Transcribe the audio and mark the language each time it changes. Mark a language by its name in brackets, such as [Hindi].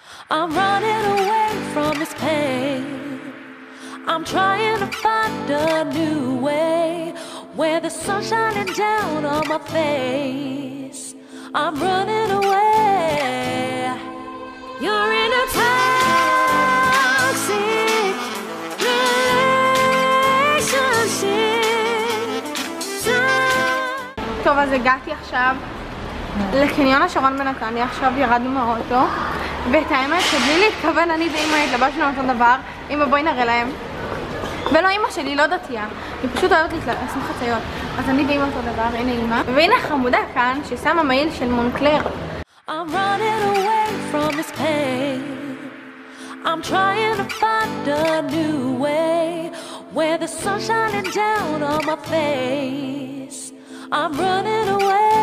[English] I'm running away from this pain. I'm trying to find a new way where the sun's shining down on my face. I'm running away. You're in a toxic relationship. [Hebrew] טוב, אז הגעתי עכשיו לקניון השרון בנתניה. עכשיו ירדנו מהאוטו, ואת האמת שבלי להתכוון אני ואמא התלבשנו אותו דבר. אמא, בואי נראה להם. ולא, אמא שלי לא דתייה, היא פשוט אוהבת לשים חציות. אז אני ואמא אותו דבר, הנה אמא. והנה חמודה כאן ששמה מעיל של מונקלר. [English] I'm running away from this pain. I'm trying to find a new way where the sun's shining down on my face. I'm running away.